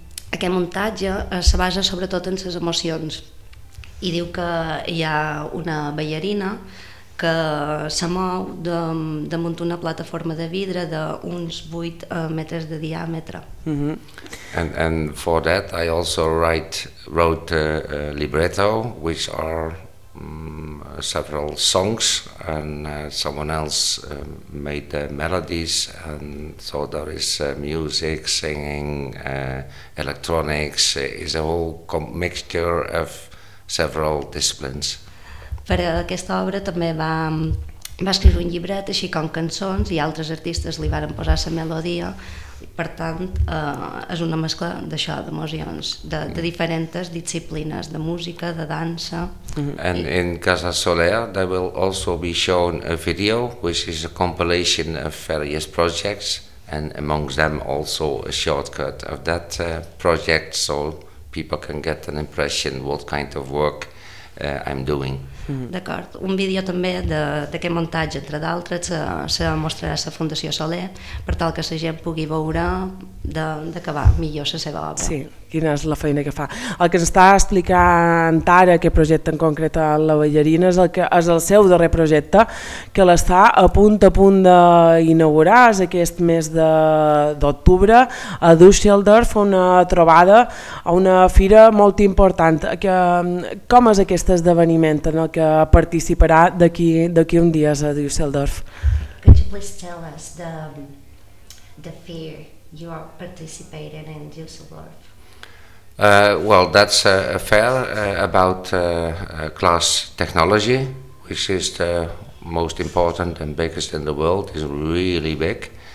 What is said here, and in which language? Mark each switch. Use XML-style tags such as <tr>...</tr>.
<ca>Aquest muntatge se basa sobretot en les emocions i diu que hi ha una ballarina que se mou damunt una plataforma de vidre d'uns 8 metres de diàmetre.</ca> <en>And for that I also wrote a libretto, which are several songs, and someone else made the melodies, and so there is music, singing, electronics, is a whole mixture of several disciplines.</en> <ca>Per a aquesta obra també va escriure un llibret, així com cançons, i altres artistes li varen posar la melodia. Per tant, és una mescla d'això, d'emocions, de diferents disciplines, de música, de dansa.</ca> <en>And in Casa Soler there will also be shown a video, which is a compilation of various projects, and amongst them also a shortcut of that project, so people can get an impression what kind of work I'm doing.</en> <ca>D'acord, un vídeo també d'aquest muntatge, entre d'altres, se mostrarà a la Fundació Soler per tal que la gent pugui veure d'acabar millor la seva obra. Sí, quina és la feina que fa. El que ens està explicant ara, aquest projecte en concret a la ballarina, és el seu darrer projecte, que l'està a punt d'inaugurar, és aquest mes d'octubre, a Düsseldorf, una trobada a una fira molt important. Com és aquest esdeveniment en el que participarà d'aquí un dia a Düsseldorf?</ca> <en>Could you please tell us the fair you are participating in Düsseldorf? That's a fair about glass technology, which is the most important and biggest in the world. It's really big,</en>